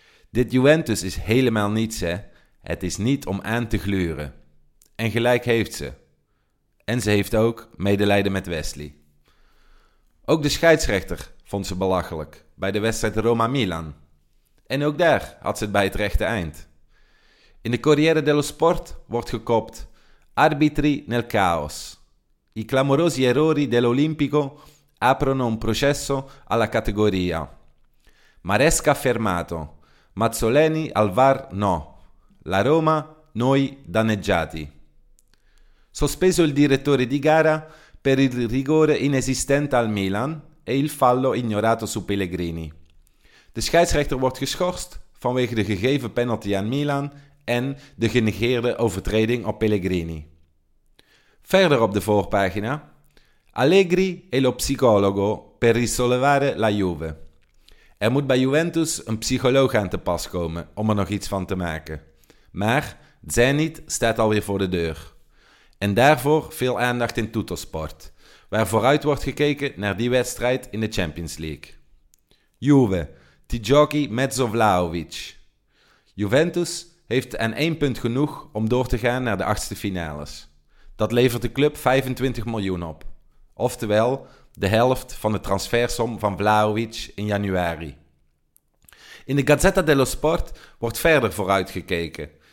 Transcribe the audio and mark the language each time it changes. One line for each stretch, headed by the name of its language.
Dutch: Dit Juventus is helemaal niets, hè. Het is niet om aan te gluren. En gelijk heeft ze. En ze heeft ook medelijden met Wesley. Ook de scheidsrechter vond ze belachelijk bij de wedstrijd Roma-Milan. En ook daar had ze het bij het rechte eind. In de Corriere dello Sport wordt gekopt
Italian: Arbitri nel caos. I clamorosi errori dell'Olimpico aprono un processo alla categoria. Maresca fermato. Mazzoleni al VAR no. La Roma, noi danneggiati. Sospeso il direttore di gara per il rigore inesistente al Milan e il fallo ignorato su Pellegrini.
Dutch: De scheidsrechter wordt geschorst vanwege de gegeven penalty aan Milan en de genegeerde overtreding op Pellegrini. Verder op de voorpagina:
Italian: Allegri e lo psicologo per risollevare la Juve.
Dutch: Er moet bij Juventus een psycholoog aan te pas komen om er nog iets van te maken. Maar Zenit staat alweer voor de deur. En daarvoor veel aandacht in Tuttosport, waar vooruit wordt gekeken naar die wedstrijd in de Champions League.
Italian: Juve, ti giochi mezzo Vlahovic.
Dutch: Juventus heeft aan één punt genoeg om door te gaan naar de achtste finales. Dat levert de club 25 miljoen op. Oftewel, de helft van de transfersom van Vlahovic in januari. In de Gazzetta dello Sport wordt verder vooruitgekeken.